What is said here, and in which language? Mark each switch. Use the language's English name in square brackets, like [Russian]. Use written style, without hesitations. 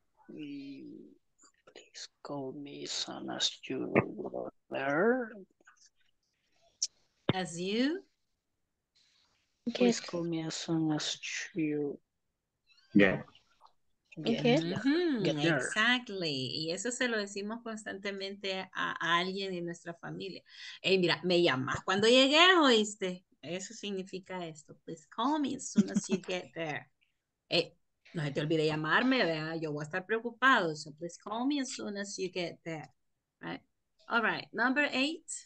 [English] Please call me as soon as you there. As you? Okay. Please call me as soon as you. Yeah. Okay. Exactly. [Spanish] Y eso se lo decimos constantemente a alguien en nuestra familia. Hey, mira, me llamas cuando llegué, ¿oíste? Eso significa esto. [English] Please call me as soon as you get there. Hey, [Spanish] no se te olvide llamarme, ¿verdad? Yo voy a estar preocupado. [English] So please call me as soon as you get there. Right. All right. Number eight.